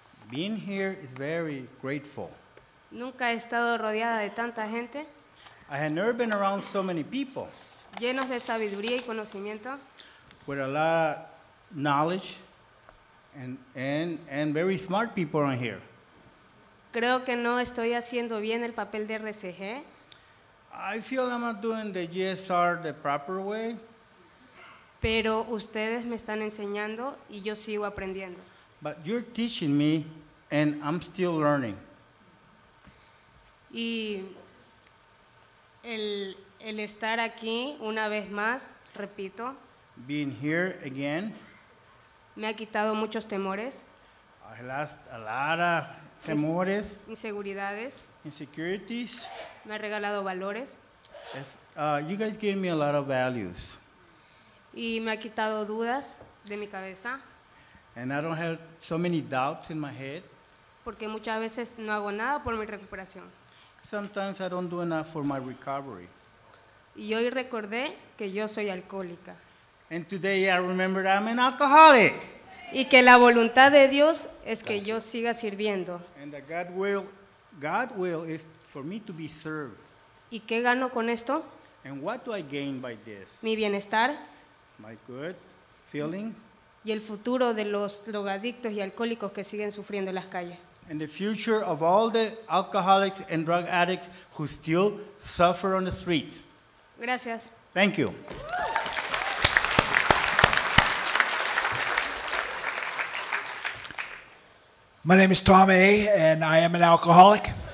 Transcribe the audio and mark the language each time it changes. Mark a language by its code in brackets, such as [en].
[en] Being here is very grateful. [es] Nunca he estado rodeada de tanta gente. [en] I had never been around so many people. [es] Llenos de sabiduría y conocimiento. [en] With a lot of knowledge and very smart people on here. [es] Creo que no estoy haciendo bien el papel de RCG. [en] I feel I'm not doing the GSR the proper way. [es] Pero ustedes me están enseñando y yo sigo aprendiendo. [en] But you're teaching me and I'm still learning. [es] Y el estar aquí una vez más, repito, [en] being here again, [es] me ha quitado muchos temores. [en] I lost a lot of [es] temores, inseguridades, [en] insecurities. [es] Me ha regalado valores. [en] You guys gave me a lot of values. [es] Y me ha quitado dudas de mi cabeza. [en] And I don't have so many doubts in my head. [es] Porque muchas veces no hago nada por mi recuperación. [en] Sometimes I don't do enough for my recovery. [es] Y hoy recordé que yo soy alcohólica. [en] And today I remembered I'm an alcoholic. [es] Y que la voluntad de Dios es que yo siga sirviendo. [en] And that God will is for me to be served. [es] ¿Y qué gano con esto? [en] And what do I gain by this? [es] Mi bienestar. [en] My good feeling. [es] Y el futuro de los drogadictos y alcohólicos que siguen sufriendo en las calles. [en] And the future of all the alcoholics and drug addicts who still suffer on the streets. [es] Gracias. [en] Thank you. My name is Tom A., and I am an alcoholic.